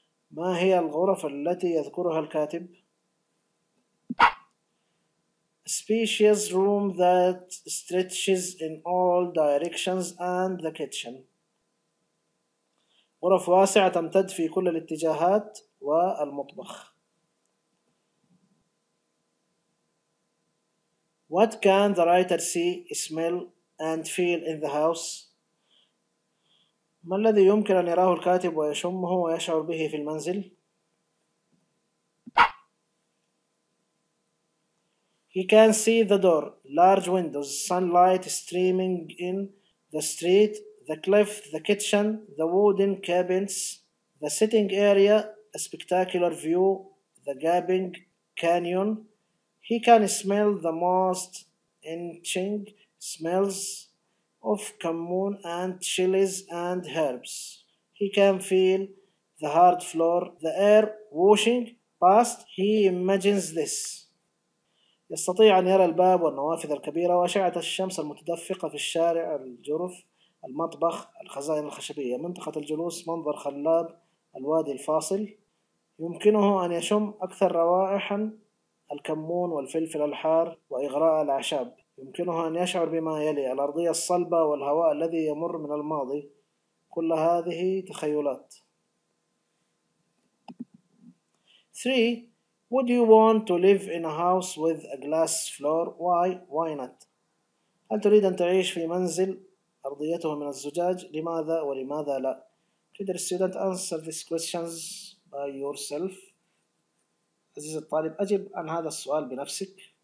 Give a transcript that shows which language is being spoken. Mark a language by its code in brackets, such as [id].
[ar] ما هي الغرف التي يذكرها الكاتب؟ [en] Spacious room that stretches in all directions and the kitchen. [ar] غرف واسعة تمتد في كل الاتجاهات والمطبخ. [en] What can the writer see, smell, and feel in the house? [ar] ما الذي يمكن أن يراه الكاتب ويشمه ويشعر به في المنزل؟ [en] He can see the door, large windows, sunlight streaming in, the street, the cliff, the kitchen, the wooden cabins, the sitting area, a spectacular view, the gaping canyon. He can smell the most enticing smells of cumin and chilies and herbs. He can feel the hard floor, the air washing past. He imagines this. [ar] يستطيع أن يرى الباب والنوافذ الكبيرة وأشعة الشمس المتدفقة في الشارع، الجرف، المطبخ، الخزائن الخشبية، منطقة الجلوس، منظر خلاب، الوادي الفاصل. يمكنه أن يشم أكثر روائحاً، الكمون والفلفل الحار وإغراء الأعشاب. يمكنه أن يشعر بما يلي: الأرضية الصلبة والهواء الذي يمر من الماضي. كل هذه تخيلات. 3. [en] Would you want to live in a house with a glass floor? Why? Why not? [ar] هل تريد أن تعيش في منزل أرضيته من الزجاج؟ لماذا ولماذا لا؟ [en] Feeder student, answer these questions by yourself. [ar] عزيز الطالب، أجب عن هذا السؤال بنفسك.